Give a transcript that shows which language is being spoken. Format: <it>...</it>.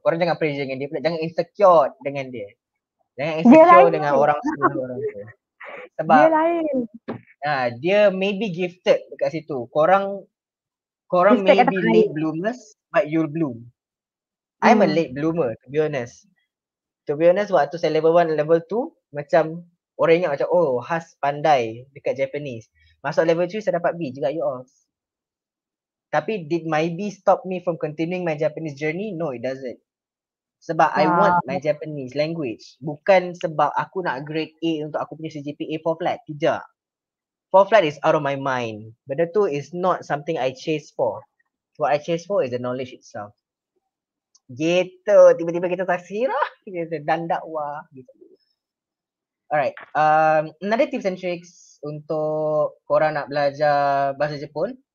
<ms>Korang jangan pressure dengan dia pula. Jangan insecure dengan dia. Jangan insecure dia dengan orang semua orang tu. Sebab, dia lain. Dia maybe gifted dekat situ. Korang</ms> <en>gifted maybe late lain. Bloomers, but you'll bloom. I'm a late bloomer, to be honest. To be honest,</en> <ms>waktu saya level 1, level 2, macam orang ingat macam, oh, Has pandai dekat</ms> <en>Japanese.</en> <ms>Masuk level 3, saya dapat B juga,</ms> <en>you all.</en> <ms>Tapi,</ms> <en>did my B stop me from continuing my Japanese journey? No, it doesn't.</en> <ms>Sebab</ms> <en>I want my Japanese language.</en> <ms>Bukan sebab aku nak grade A untuk aku punya CGPA 4 flat. Tidak.</ms> <en>4 flat is out of my mind.</en> <ms>Benda tu</ms> <en>is not something I chase for. What I chase for is the knowledge itself.</en> <ms>Gitu, tiba-tiba kita taksirah, kita dan dakwa gitu.</ms> <en>Alright, another tips and tricks</en> <ms>untuk korang nak belajar bahasa Jepun.</ms>